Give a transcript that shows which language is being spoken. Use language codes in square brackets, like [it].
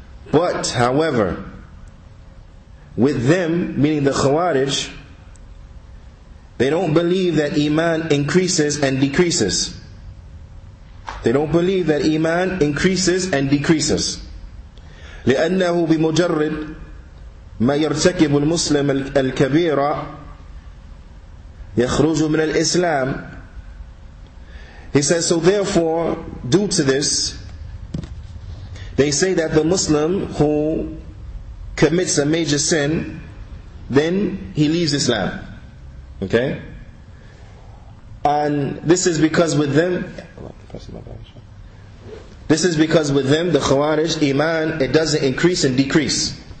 [en] But, however, with them, meaning the Khawarij, they don't believe that Iman increases and decreases. They don't believe that Iman increases and decreases. [ar] لأنه بمجرد ما يرتكب المسلم الكبيرة يخرج من الإسلام. [en] He says, so therefore, due to this, they say that the Muslim who commits a major sin, then he leaves Islam. Okay? And this is because with them, the Khawarij, Iman, it doesn't increase and decrease.